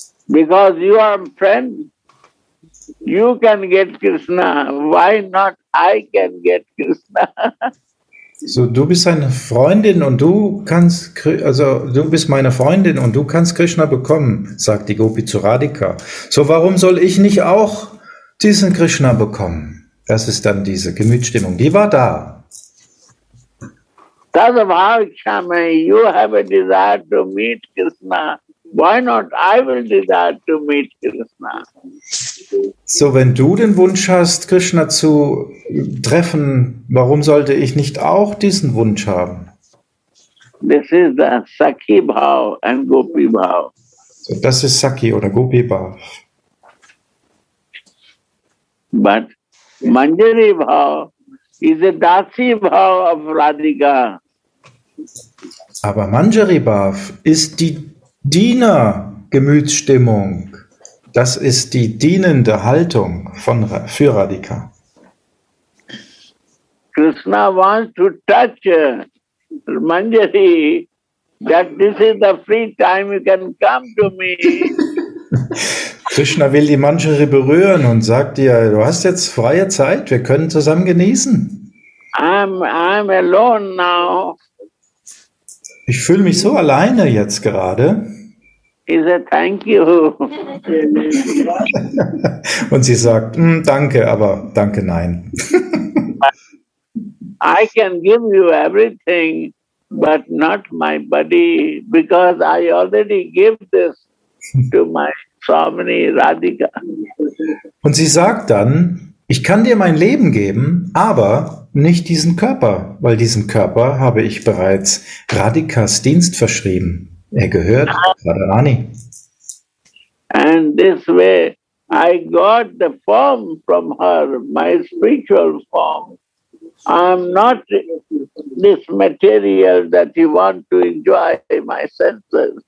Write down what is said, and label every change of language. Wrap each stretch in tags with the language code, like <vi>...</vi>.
<en>Because you are friend, you can get Krishna. Why not I can get Krishna?</en> <de>So, du bist seine Freundin und du kannst, also du bist meine Freundin und du kannst Krishna bekommen, sagt die Gopi zu Radhika. So, warum soll ich nicht auch diesen Krishna bekommen? Das ist dann diese Gemütsstimmung, die war da.</de> <en>That's why, Shama, you have a desire to meet Krishna. Why not? I will desire to meet Krishna.</en> <de>So, wenn du den Wunsch hast, Krishna zu treffen, warum sollte ich nicht auch diesen Wunsch haben?</de> <en>This is the Sakhi Bhav and Gopi Bhav.</en> <de>So, das ist Sakhi oder Gopi Bhav.</de> <en>But Manjari Bhav is a Dasi Bhav of Radhika.</en> <de>Aber Manjari Bhav ist die Diener-Gemütsstimmung. Das ist die dienende Haltung für Radhika.</de> <en>Krishna wants to touch Manjari, that this is the free time you can come to me.</en> <de>Krishna will die Manjari berühren und sagt ihr, du hast jetzt freie Zeit, wir können zusammen genießen.</de> <en>I'm alone now.</en> <de>Ich fühle mich so alleine jetzt gerade.</de> <en>Is a thank you.</en> <de>Und sie sagt, danke, aber danke, nein.</de> <en>I can give you everything, but not my body, because I already give this to my Swamini Radhika.</en> <de>Und sie sagt dann, ich kann dir mein Leben geben, aber nicht diesen Körper, weil diesen Körper habe ich bereits Radhikas Dienst verschrieben. Er gehört Radharani.</de> <en>And this way I got the form from her, my spiritual form. I'm not this material that you want to enjoy my senses.</en>